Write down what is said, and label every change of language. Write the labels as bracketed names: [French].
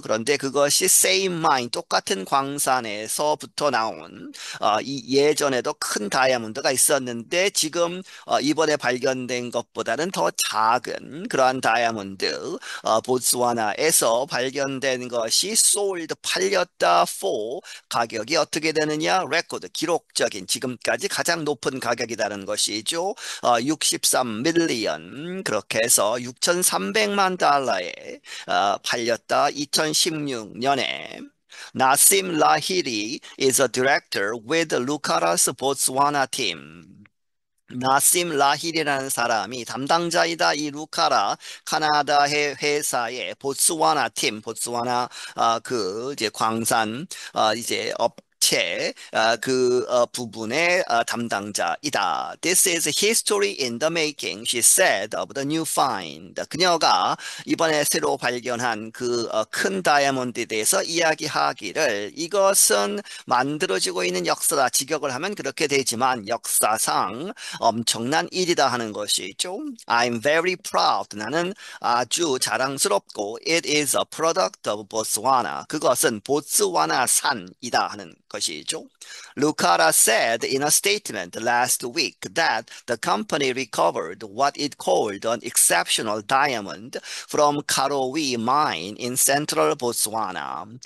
[Korean] 그런데 그것이 [English] same mine [Korean] 똑같은 광산에서부터 나온 이 예전에도 큰 다이아몬드가 있었는데 지금 이번에 발견된 것보다는 더 작은 그러한 다이아몬드 보츠와나에서 발견된 것이 [English] sold [Korean] 팔렸다 for 가격이 어떻게 되느냐 레코드 기록적인 지금까지 가장 높은 가격이라는 것이죠. 63밀리언 그렇게 해서 6,300만 달러에 팔렸다 2016년에. [English] Nassim Lahiri is a director with Lucara's Botswana team. [Korean] 나심 라힐이라는 사람이 담당자이다. 이 루카라 카나다 회사의 보츠와나 팀, 보츠와나 그 이제 광산 이제 업체 그 부분의 담당자이다. [English] This is history in the making, she said of the new find. [Korean] 그녀가 이번에 새로 발견한 그큰 다이아몬드에 대해서 이야기하기를, 이것은 만들어지고 있는 역사다. 직역을 하면 그렇게 되지만 역사상 엄청난 일이다 하는 것이죠. [English] I'm very proud. [Korean] 나는 아주 자랑스럽고, [English] it is a product of Botswana. [Korean] 그것은 보츠와나 산이다 하는 것이죠. [English] Lucara said in a statement last week that the company recovered what it called an exceptional diamond from Karowe Mine in central Botswana.